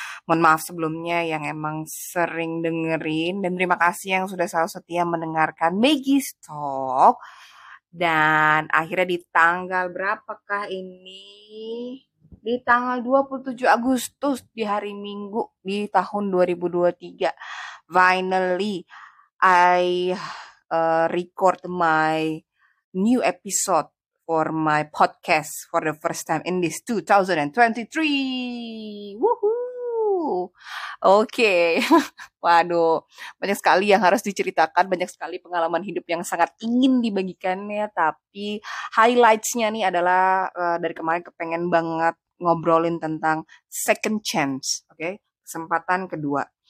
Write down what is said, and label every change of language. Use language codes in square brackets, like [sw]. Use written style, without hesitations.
[id] Mohon maaf sebelumnya yang emang sering dengerin. Dan terima kasih yang sudah selalu setia mendengarkan Maggie's Talk. Dan akhirnya di tanggal berapakah ini? Di tanggal 27 Agustus di hari Minggu di tahun 2023. [en] Finally, I record my new episode for my podcast for the first time in this 2023. Woohoo. Okay. [id] Waduh, banyak sekali yang harus diceritakan, banyak sekali pengalaman hidup yang sangat ingin dibagikannya, tapi highlights-nya nih adalah dari kemarin kepengen banget ngobrolin tentang [en] second chance, okay? [id] Kesempatan kedua.